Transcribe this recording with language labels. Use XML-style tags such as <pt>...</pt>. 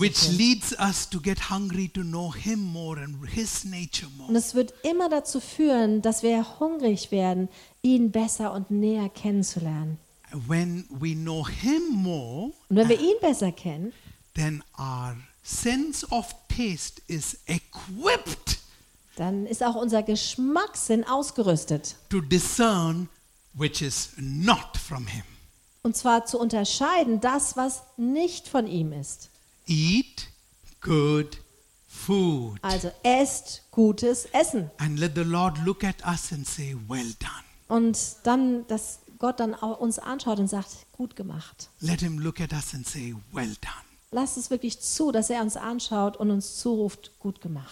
<en>which hin. Leads us to get hungry to know him more and his nature more.</en> <de>Und es wird immer dazu führen, dass wir hungrig werden, ihn besser und näher kennenzulernen.</de> <en>When we know him more,</en> <de>und wenn wir ihn besser kennen,</de> <en>then our sense of taste is equipped.</en> <de>Dann ist auch unser Geschmackssinn ausgerüstet.</de> <en>To discern which is not from him.</en> <de>Und zwar zu unterscheiden, das, was nicht von ihm ist.</de> <en>Eat good food.</en> <de>Also esst gutes Essen.</de> <en>And let the Lord look at us and say, well done.</en> <de>Und dann, dass Gott dann uns anschaut und sagt, gut gemacht.</de> <en>Let him look at us and say, well done.</en> <de>Lass es wirklich zu, dass er uns anschaut und uns zuruft, gut gemacht.</de>